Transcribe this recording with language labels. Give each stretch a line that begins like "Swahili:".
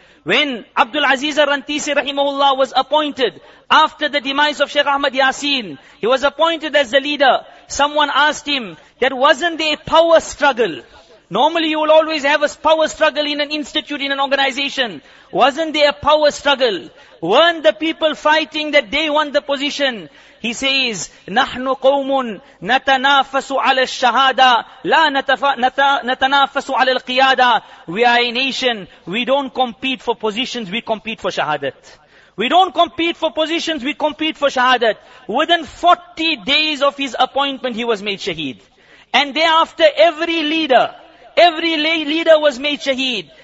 English: When Abdul Aziz Rantisi rahimahullah was appointed after the demise of Sheikh Ahmad Yasin, he was appointed as the leader. Someone asked him, that wasn't there a power struggle? Normally you will always have a power struggle in an institute, in an organization. Wasn't there a power struggle? Weren't the people fighting that they won the position?
Arabic: He says, نَحْنُ قَوْمٌ نَتَنَافَسُ عَلَى الشَّهَادَةِ لَا نَتَنَافَسُ عَلَى الْقِيَادَةِ.
English: We are a nation. We don't compete for positions, we compete for shahadat. We don't compete for positions, we compete for shahadat. Within 40 days of his appointment, he was made shaheed. And thereafter, every leader was made shaheed.